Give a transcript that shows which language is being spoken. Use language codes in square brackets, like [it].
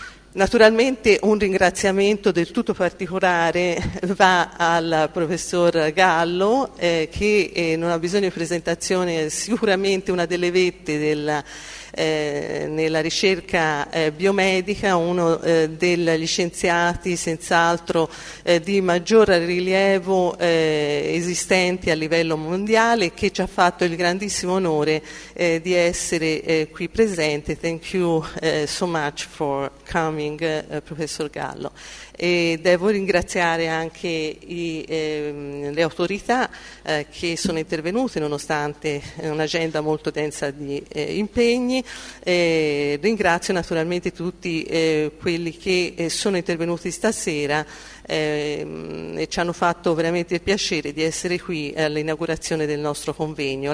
[it] Naturalmente un ringraziamento del tutto particolare va al professor Gallo, che non ha bisogno di presentazione, è sicuramente una delle vette nella ricerca biomedica, uno degli scienziati senz'altro di maggior rilievo esistenti a livello mondiale, che ci ha fatto il grandissimo onore di essere qui presente. [en] Thank you so much for coming, professor Gallo. [it] E devo ringraziare anche le autorità che sono intervenute nonostante un'agenda molto densa di impegni. Ringrazio naturalmente tutti quelli che sono intervenuti stasera e ci hanno fatto veramente il piacere di essere qui all'inaugurazione del nostro convegno.